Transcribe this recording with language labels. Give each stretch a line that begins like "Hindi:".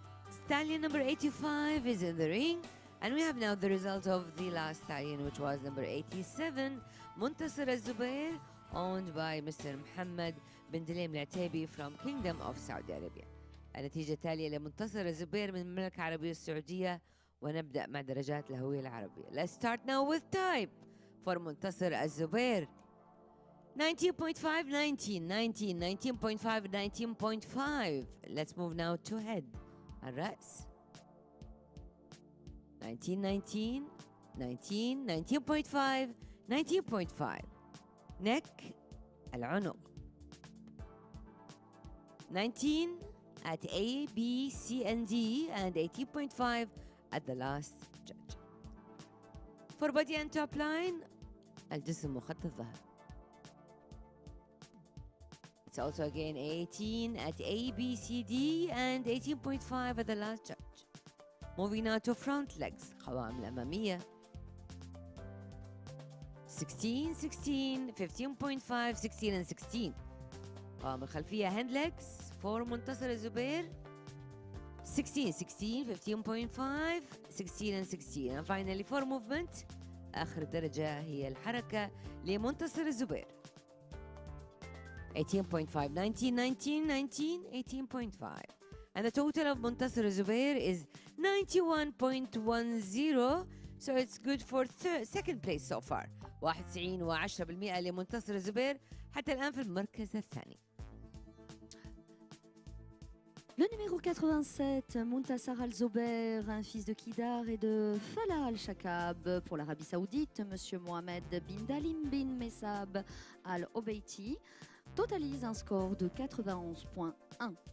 English: Stallion number 85 is in the ring, and we have now the result of the last stallion, which was number 87, Muntasir Al-Zubair, owned by Mr. Muhammad bin Dilim Al-Atabi from Kingdom of Saudi Arabia.
Arabic: النتيجة التالية لمنتصر الزبير من المملكة العربية السعودية, ونبدأ مع درجات الهوية العربية.
English: Let's start now with type for منتصر الزبير. 19.5, 19, 19, 19.5, 19.5. Let's move now to head. الرأس 19, 19, 19, 19.5, 19.5. Neck, العنق 19 at A, B, C and D and 18.5 at the last judge. For body and top line, الجسم وخط الظهر. It's also again 18 at A, B, C, D and 18.5 at the last judge. Moving now to front legs, قوائم الأمامية 16, 16, 15.5, 16 and 16. قوائم الخلفية, hand legs for منتصر الزبير 16, 16, 15.5, 16 and 16.
Arabic: And finally for movement, آخر درجة هي الحركة لمنتصر الزبير
English: 18.5 19 19 19 18.5, and the total of Montasser Zubair is 91.10, so it's good for second place so far.
Arabic: 91.10% لمنتصر زبير حتى الآن في المركز الثاني.
French: Le numéro 87, Muntasar Al-Zubair, un fils de Kidar et de Falah Al-Shakab pour l'Arabie Saoudite, Monsieur Mohamed bin Dalim bin Messab Al-Obeiti, totalise un score de 91.1.